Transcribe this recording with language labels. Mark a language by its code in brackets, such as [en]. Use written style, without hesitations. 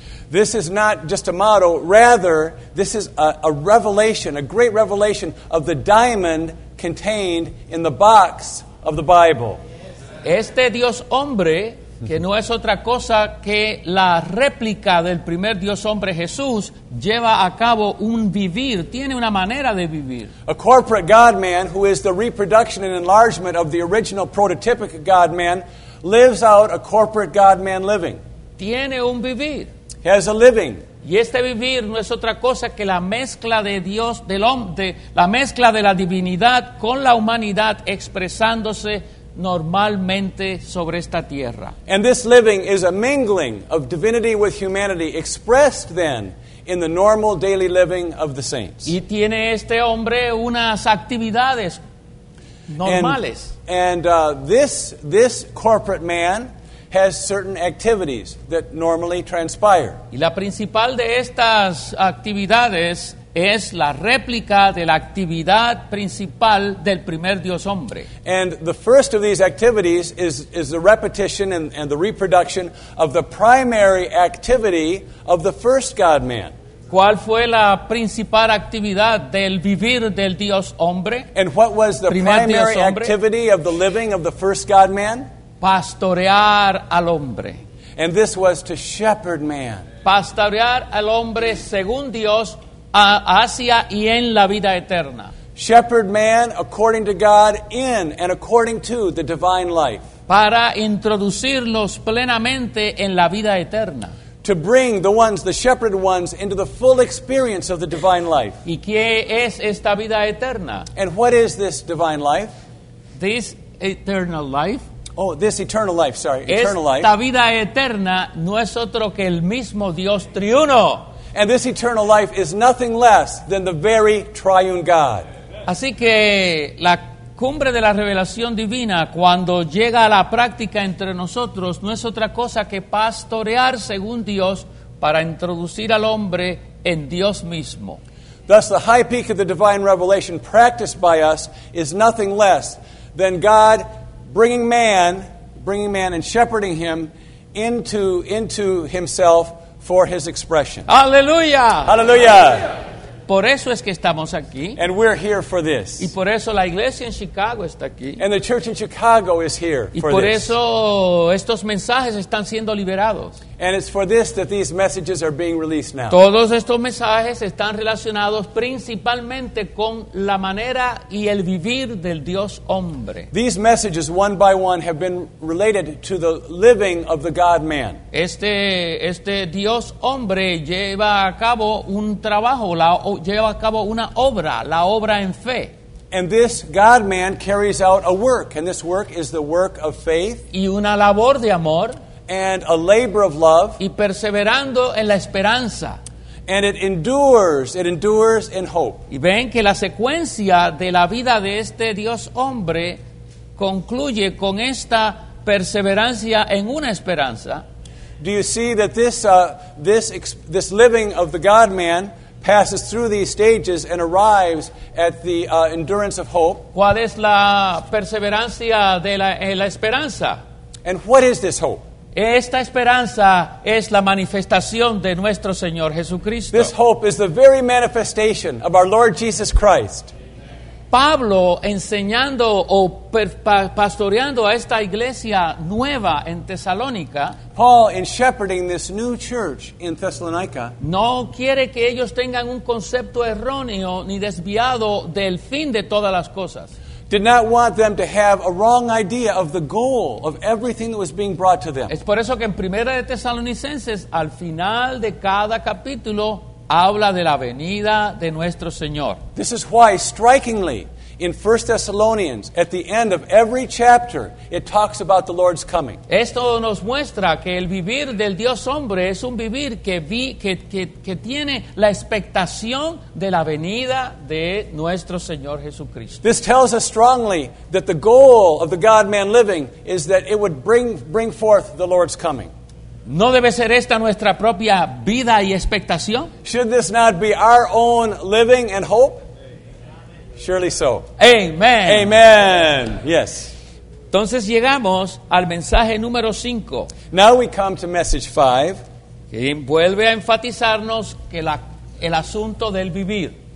[en] This is not just a motto, rather, this is a revelation, a great revelation of the diamond contained in the box of the Bible. [es] Este Dios hombre, que no es otra cosa que la réplica del primer Dios hombre Jesús, lleva a cabo un vivir, tiene una manera de vivir. [en] A corporate God-man, who is the reproduction and enlargement of the original prototypic God-man, lives out a corporate God-man living. [es] Tiene un vivir. [en] He has a living. [es] Y este vivir no es otra cosa que la mezcla de Dios, del hombre, la mezcla de la divinidad con la humanidad expresándose normalmente sobre esta tierra. [en] And this living is a mingling of divinity with humanity expressed then in the normal daily living of the saints. [es] Y tiene este hombre unas actividades normales. [en] And this corporate man has certain activities that normally transpire. [es] Y la principal de estas actividades es la réplica de la actividad principal del primer Dios hombre. [en] And the first of these activities is the repetition and the reproduction of the primary activity of the first God-man. [es] ¿Cuál fue la principal actividad del vivir del Dios hombre? [en] And what was the primary activity of the living of the first God-man? [es] Pastorear al hombre. [en] And this was to shepherd man. [es] Pastorear al hombre según Dios hacia y en la vida eterna. [en] Shepherd man according to God in and according to the divine life. [es] Para introducirlos plenamente en la vida eterna. [en] To bring the ones, the shepherd ones, into the full experience of the divine life. [es] ¿Y qué es esta vida eterna? [en] And what is this divine life? This eternal life. Oh, this eternal life, sorry, eternal [es] esta [en] life. [es] Esta vida eterna no es otro que el mismo Dios triuno. [en] And this eternal life is nothing less than the very triune God. [es] Así que la cumbre de la revelación divina, cuando llega a la práctica entre nosotros, no es otra cosa que pastorear según Dios para introducir al hombre en Dios mismo. [en] Thus, the high peak of the divine revelation practiced by us is nothing less than God bringing man and shepherding him into himself for his expression. [es] Aleluya. Aleluya. Por eso es que estamos aquí. [en] And we're here for this. [es] Y por eso la iglesia en Chicago está aquí. [en] And the church in Chicago is here [es] y [en] for [es] por [en] this. [es] Eso estos mensajes están siendo liberados. [en] And it's for this that these messages are being released now. [es] Todos estos mensajes están relacionados principalmente con la manera y el vivir del Dios hombre. [en] These messages, one by one, have been related to the living of the God-man. [es] Este Dios hombre lleva a cabo un trabajo, lleva a cabo una obra, la obra en fe. [en] And this God-man carries out a work, and this work is the work of faith. [es] Y una labor de amor. [en] And a labor of love. [es] Y perseverando en la esperanza. [en] And it endures in hope. [es] Y ven que la secuencia de la vida de este Dios hombre concluye con esta perseverancia en una esperanza. [en] Do you see that this living of the God-man passes through these stages and arrives at the endurance of hope? [es] ¿Cuál es la perseverancia de la esperanza? [en] And what is this hope? [es] Esta esperanza es la manifestación de nuestro Señor Jesucristo. [en] This hope is the very manifestation of our Lord Jesus Christ. [es] Pablo, enseñando o pastoreando a esta iglesia nueva en Tesalónica, [en] Paul, in shepherding this new church in Thessalonica, [es] no quiere que ellos tengan un concepto erróneo ni desviado del fin de todas las cosas. [en] Did not want them to have a wrong idea of the goal of everything that was being brought to them. [es] Es por eso que en Primera de Tesalonicenses, al final de cada capítulo, habla de la venida de nuestro Señor. [en] This is why, strikingly, in 1 Thessalonians, at the end of every chapter, it talks about the Lord's coming. [es] Esto nos muestra que el vivir del Dios hombre es un vivir que tiene la expectación de la venida de nuestro Señor Jesucristo. [en] This tells us strongly that the goal of the God-man living is that it would bring forth the Lord's coming. [es] ¿No debe ser esta nuestra propia vida y expectación? [en] Should this not be our own living and hope? Surely so. Amen. Amen. Yes. [es] Entonces llegamos al mensaje número 5. [en] Now we come to message 5. [es] Que vuelve a enfatizarnos que el asunto del vivir.